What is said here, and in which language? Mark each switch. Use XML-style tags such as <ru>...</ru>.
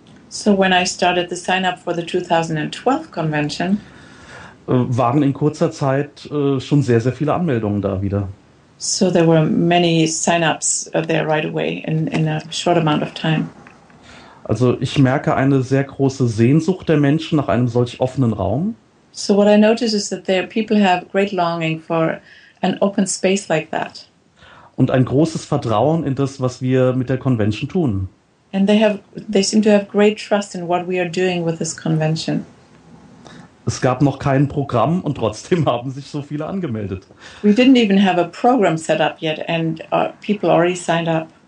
<en>So when I started the sign-up for the 2012 convention,</en> <de>waren in kurzer Zeit schon sehr, sehr viele Anmeldungen da wieder.</de> <en>So there were many sign-ups there right away in a short amount of time.</en> <de>Also ich merke eine sehr große Sehnsucht der Menschen nach einem solch offenen Raum.</de> <en>So what I notice is that there people have great longing for an open space like that.</en> <de>Und ein großes Vertrauen in das, was wir mit der Convention tun.</de> <en>And they seem to have great trust in what we are doing with this convention.</en> <de>Es gab noch kein Programm und trotzdem haben sich so viele angemeldet.</de> <en>We didn't even have a program set up yet and people already signed up.</en>